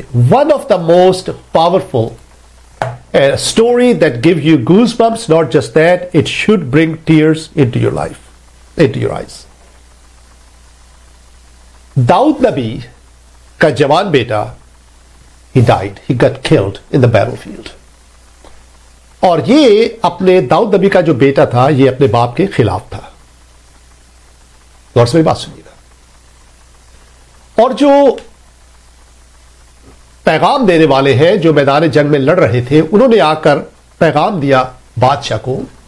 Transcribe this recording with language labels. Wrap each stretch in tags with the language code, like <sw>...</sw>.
<en>One of the most powerful story that gave you goose bumps. Not just that, it should bring tears into your life, into your eyes.</en> <ur>داؤد نبی کا جوان بیٹا</ur> <en>He died, he got killed in the battlefield.</en> <ur>اور یہ اپنے داؤد نبی کا جو بیٹا تھا یہ اپنے باپ کے خلاف تھا. غور سے میری بات سنیے گا. اور جو پیغام دینے والے ہیں جو میدان جنگ میں لڑ رہے تھے انہوں نے آ کر پیغام دیا بادشاہ کو.</ur>